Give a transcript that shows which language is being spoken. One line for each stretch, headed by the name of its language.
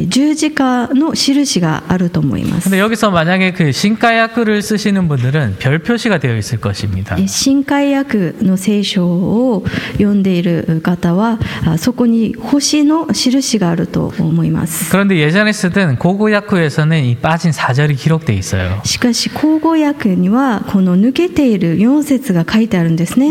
Japanese: また、その3節の後半に十字架の印があると思います.
Korean: 근데 여기서 만약에 그 신카약을 쓰시는 분들은 별표시가 되어 있을 것입니다.
Japanese: 신카약의聖書を読んでいる方はそこに星の印があると思います.
Korean: 그런데 예전에 쓰던 고고야쿠에서는 이 빠진 4절이 기록돼 있어요.
Japanese: しかし、高語訳にはこの抜 4節が書いてあるんですね.